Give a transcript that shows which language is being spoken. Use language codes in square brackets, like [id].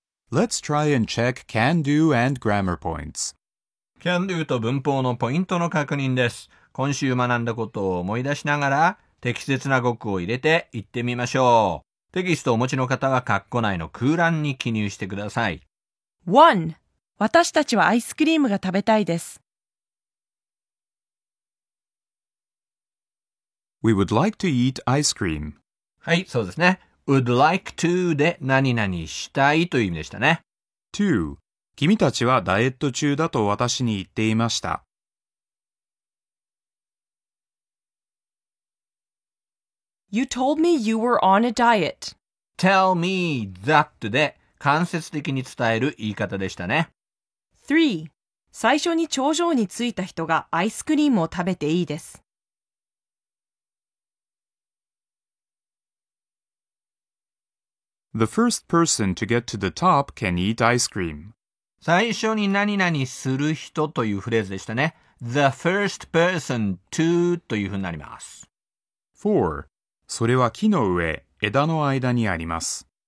[en] Let's try and check can do and grammar points. [ja] Can do と文法のポイントの確認です。今週学んだことを思い出しながら、適切な語句を入れて言ってみましょう。テキストをお持ちの方は括弧内の空欄に記入してください。 1. 私たちはアイスクリームが食べたいです。 [en] We would like to eat ice cream. [ja] はい、そうですね。 [en] Would like to [ja] で何々したいという意味でしたね。 2. 君たちはダイエット中だと私に言っていました。 [en] You told me you were on a diet. Tell me that [ja] で間接的に伝える言い方でしたね。 3. 最初に頂上に着いた人がアイスクリームを食べていいです。 [en] The first person to get to the top can eat ice cream. [ja] 最初に何々する人というフレーズでしたね。 [en] The first person to [ja] というふうになります。 4. それは木の上、枝の間にあります。